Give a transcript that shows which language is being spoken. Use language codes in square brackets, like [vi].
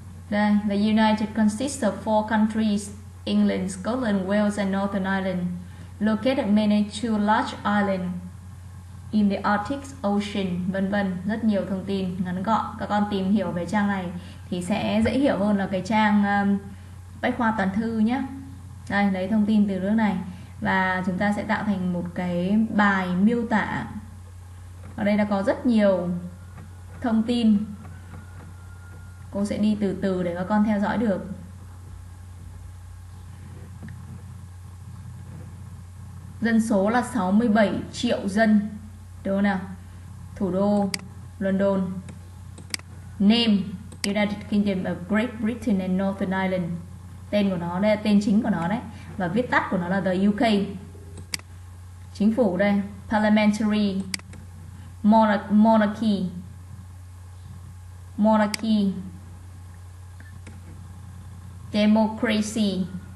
[vi] Đây, [en] the United consists of four countries: England, Scotland, Wales and Northern Ireland, located mainly two large islands in the Arctic Ocean, [vi] vân vân, rất nhiều thông tin ngắn gọn. Các con tìm hiểu về trang này thì sẽ dễ hiểu hơn là cái trang bách khoa toàn thư nhé. Đây, lấy thông tin từ nước này và chúng ta sẽ tạo thành một cái bài miêu tả. Ở đây đã có rất nhiều thông tin. Cô sẽ đi từ từ để các con theo dõi được. Dân số là 67 triệu dân. Đúng không nào? Thủ đô London. [en] Name: United Kingdom of Great Britain and Northern Ireland. [vi] Tên của nó đây, tên chính của nó đấy, và viết tắt của nó là the UK. Chính phủ đây, [en] parliamentary monarchy. Monarchy. Democracy.